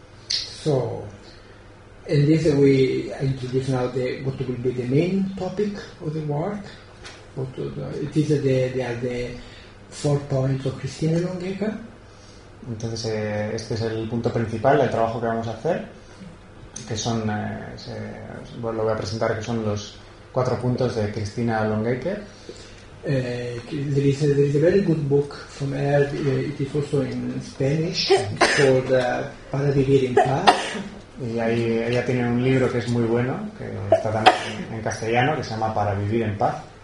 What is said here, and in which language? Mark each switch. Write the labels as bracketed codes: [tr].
[en] So, and this we introduce now the what will be the main topic of the work. It is the are the four points of Christina Longueca. [es] Entonces este es el punto principal del trabajo que vamos a hacer, que son lo voy a presentar, que son los cuatro puntos de Christina Longueca. [en] There is a very good book from her. It is also in Spanish called Para vivir en paz. [es] Y ahí ella tiene un libro que es muy bueno, que está también en castellano, que se llama Para vivir en paz.